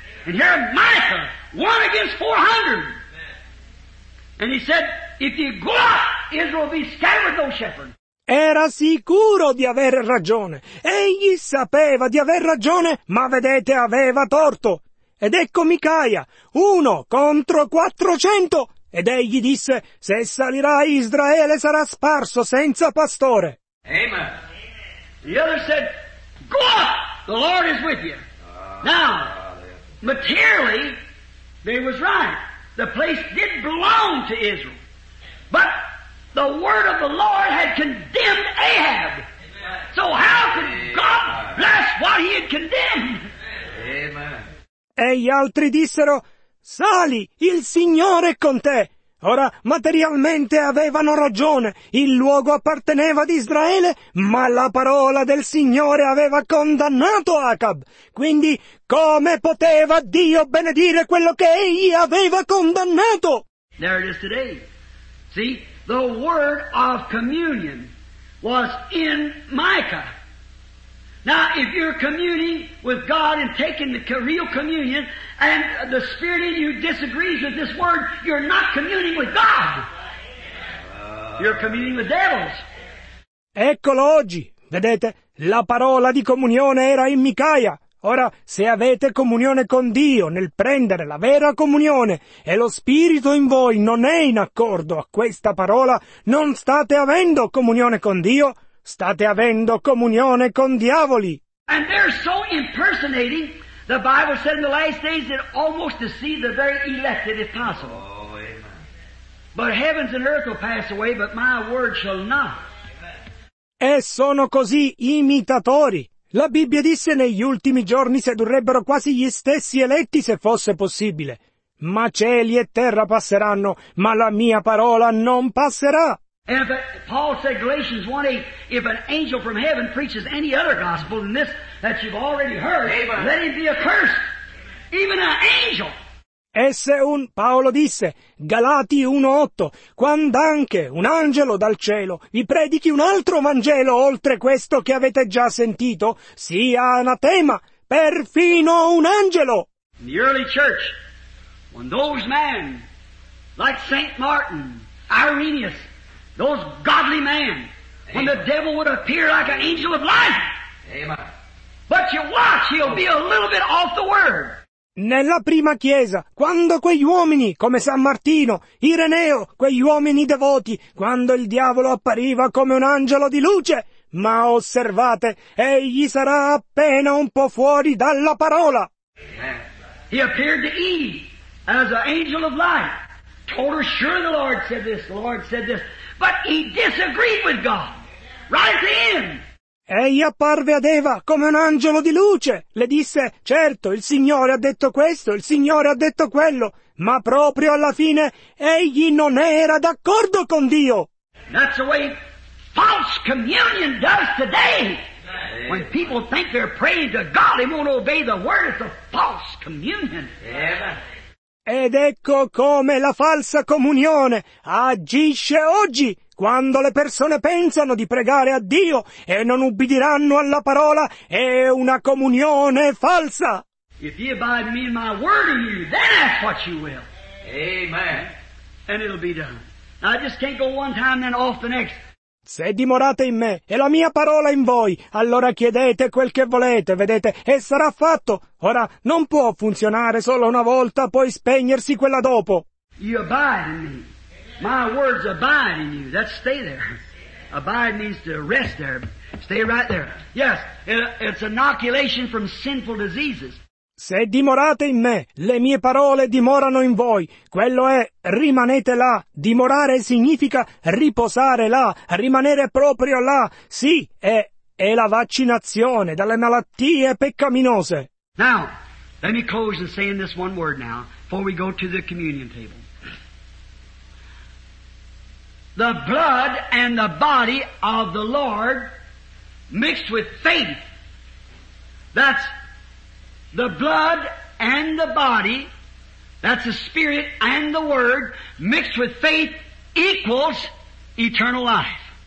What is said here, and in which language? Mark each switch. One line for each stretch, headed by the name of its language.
English: And here Micah won against 400. And he said, if you go up, Israel will be scattered with no shepherd.
Italian: Era sicuro di aver ragione. Egli sapeva di aver ragione, ma vedete, aveva torto. Ed ecco Micaia, uno contro 400. Ed egli disse, se salirai Israele sarà sparso senza pastore. Amen.
English: The other said, go up, the Lord is with you. Now, materially, they was right. The place did belong to Israel. But the word of the Lord had condemned Ahab. Amen. So how could God bless what he had condemned? Amen.
Italian: E gli altri dissero, sali, il Signore è con te. Ora, materialmente avevano ragione, il luogo apparteneva ad Israele, ma la parola del Signore aveva condannato Acab. Quindi, come poteva Dio benedire quello che egli aveva condannato?
English: There it is today. See, the word of communion was in Micah. Now, if you're communing with God and taking the real communion, and the Spirit in you disagrees with this word, you're not communing with God. You're communing with devils.
Italian: Eccolo oggi. Vedete, la parola di comunione era in Micaia. Ora, se avete comunione con Dio nel prendere la vera comunione, e lo Spirito in voi non è in accordo a questa parola, non state avendo comunione con Dio. State avendo comunione con diavoli.
English: And they're so impersonating, the Bible said in the last days that almost deceive the very elected if possible. Oh, amen. But heavens and earth will pass away, but my word shall not.
Italian: E sono così imitatori. La Bibbia disse negli ultimi giorni sedurrebbero quasi gli stessi eletti se fosse possibile. Ma cieli e terra passeranno, ma la mia parola non passerà.
English: And Paul said, Galatians 1:8, if an angel from heaven preaches any other gospel than this that you've already heard, Amen. Let him be accursed. Even an angel.
Italian: Paolo disse, Galati 1:8, quand'anche un angelo dal cielo vi predichi un altro Vangelo oltre questo che avete già sentito, sia anatema, perfino un angelo.
English: In the early church, when those men, like Saint Martin, Irenaeus, those godly men when the devil would appear like an angel of light. Amen. But you watch, he'll be a little bit off the word.
Italian: Nella prima chiesa, quando quegli uomini, come San Martino, Ireneo, quegli uomini devoti, quando il diavolo appariva come un angelo di luce, ma osservate, egli sarà appena un po' fuori dalla parola.
English: He appeared to Eve as an angel of light. Told her, sure the Lord said this. But he disagreed with God. Right then.
Italian: Egli apparve ad Eva come un angelo di luce. Le disse, certo, il Signore ha detto questo, il Signore ha detto quello. Ma proprio alla fine, egli non era d'accordo con Dio.
English: That's the way false communion does today. When people think they're praying to God, they won't obey the word of false communion.
Italian: Ed ecco come la falsa comunione agisce oggi. Quando le persone pensano di pregare a Dio e non ubbidiranno alla parola, è una comunione falsa.
English: If you abide me in my word in you, then ask what you will. Amen. And it'll be done. I just can't go one time and then off the next.
Italian: Se dimorate in me e la mia parola in voi, allora chiedete quel che volete, vedete, e sarà fatto. Ora, non può funzionare solo una volta, poi spegnersi quella dopo.
English: You abide in me. My words abide in you. That's stay there. Abide means to rest there. Stay right there. Yes, it's inoculation from sinful diseases.
Italian: Se dimorate in me, le mie parole dimorano in voi. Quello è, rimanete là. Dimorare significa riposare là, rimanere proprio là. Sì, è la vaccinazione dalle malattie peccaminose.
English: Now, let me close and say in this one word now, before we go to the communion table. The blood and the body of the Lord mixed with faith. That's the blood and the body, that's the spirit and the word, mixed with faith equals eternal life.